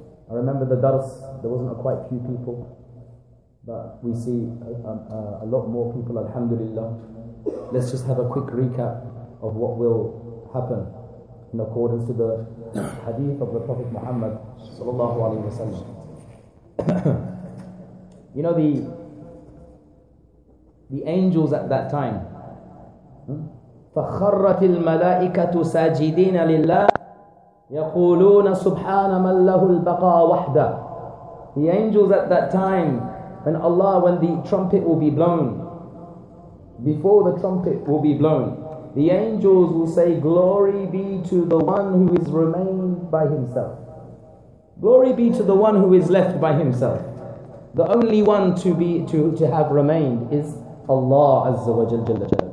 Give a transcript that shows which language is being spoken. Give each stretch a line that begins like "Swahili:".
English: I remember the dars, there wasn't a quite few people, but we see a lot more people, alhamdulillah. Let's just have a quick recap of what will happen in accordance to the hadith of the Prophet Muhammad sallallahu alaihi wasallam. You know the angels at that time,
Arabic: فَخَرَّتِ الْمَلَائِكَةُ سَاجِدِينَ لِلَّهِ يَقُولُونَ سُبْحَانَ مَنْ لَهُ الْبَقَى وَحْدَهُ.
English: The angels at that time, when the trumpet will be blown, before the trumpet will be blown, the angels will say, glory be to the one who is remained by himself. Glory be to the one who is left by himself. The only one to have remained is Allah Azza wa Jalla.